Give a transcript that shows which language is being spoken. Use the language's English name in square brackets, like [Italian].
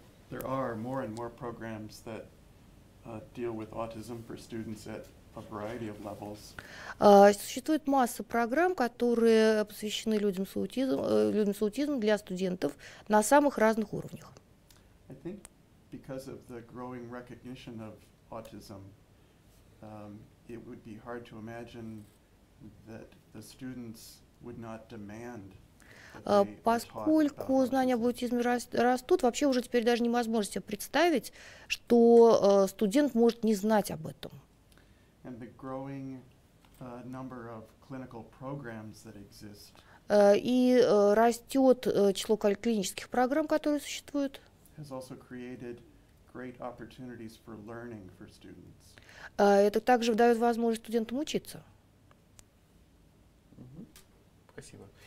[English] There are more and more programs that deal with autism for students at [Russian] Существует масса программ, которые посвящены людям с аутизмом, для студентов на самых разных уровнях. [English] I think because of the growing recognition of autism, it would be hard to imagine that the students would not demand. [Russian] Поскольку знания об аутизме растут, вообще уже теперь даже невозможно себе представить, что студент может не знать об этом. [English] And the growing number of clinical programs that exist. [Russian] И растет число клинических программ, которые существуют. [English] Has also created great opportunities for learning for students. [Russian] Это также дает возможность студентам учиться. Спасибо.